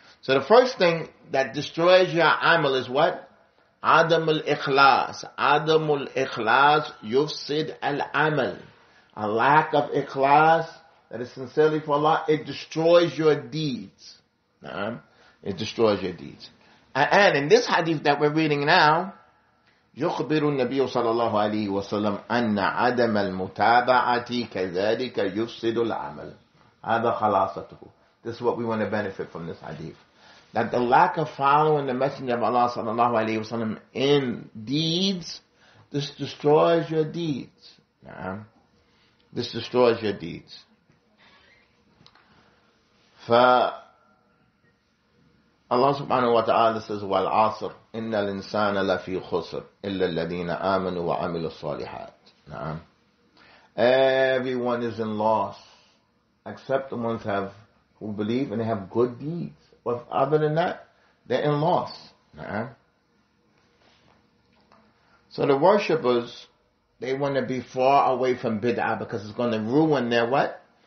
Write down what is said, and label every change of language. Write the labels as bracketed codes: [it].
[en] So the first thing that destroys your amal is what? [ar] Adam al-ikhlas. Adam al-ikhlas yufsid al-amal. [en] A lack of ikhlas that is sincerely for Allah, it destroys your deeds. It destroys your deeds. And in this hadith that we're reading now, [ar] يخبر النبي صلى الله عليه وسلم أن عدم المتابعة كذلك يفسد العمل. هذا خلاصته. [en] This is what we want to benefit from this hadith. That the lack of following the Messenger of Allah صلى الله عليه وسلم in deeds, this destroys your deeds. This destroys your deeds. Allah subhanahu wa ta'ala says, [ar] وَالْعَصْرِ إِنَّ الْإِنسَانَ لَفِي خُسْرِ إِلَّا الَّذِينَ آمَنُوا وَعَمِلُوا الصَّالِحَاتِ. نعم. [en] Everyone is in loss, except the ones who believe and they have good deeds. But other than that, they're in loss. [ar] نعم. [en] So the worshippers, they want to be far away from bid'ah because it's going to ruin their what?